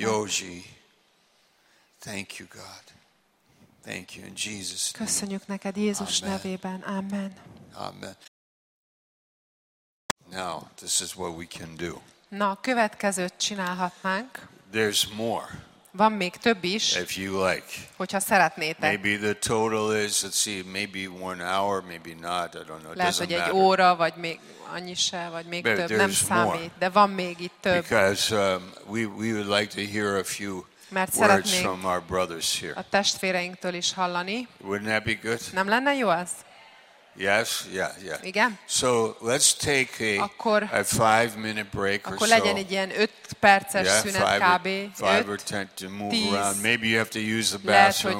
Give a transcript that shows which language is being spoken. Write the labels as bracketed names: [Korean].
[English] Yoji, thank you, God. Thank you in Jesus' name. [Hungarian] Köszönjük neked Jézus Amen. Nevében. Amen. Amen. [English] Now, this is what we can do. [Hungarian] Na, következőt csinálhatnánk. [English] There's more. [Hungarian] Van még több is. [English] If you like. [Hungarian] Hogyha szeretnétek. [English] Maybe the total is, let's see, maybe one hour, maybe not, I don't know, it doesn't matter. [Hungarian] Lehet, hogy egy óra, vagy még annyi se, vagy még [English] but [Hungarian] több, nem számít. De van még itt több. [English] Because we would like to hear a few [Hungarian] mert [English] words from our brothers here. [Hungarian] A testvéreinktől is hallani. [English] Wouldn't that be good? [Hungarian] Nem lenne jó az? [English] Yes, yeah, yeah. [Hungarian] Igen. [English] So let's take a 5-minute break [Hungarian] akkor [English] or so. [Hungarian] Akkor legyen egy ilyen 5 perces szünet kb. [English] 5 or 10 to move around. Maybe you have to use the bathroom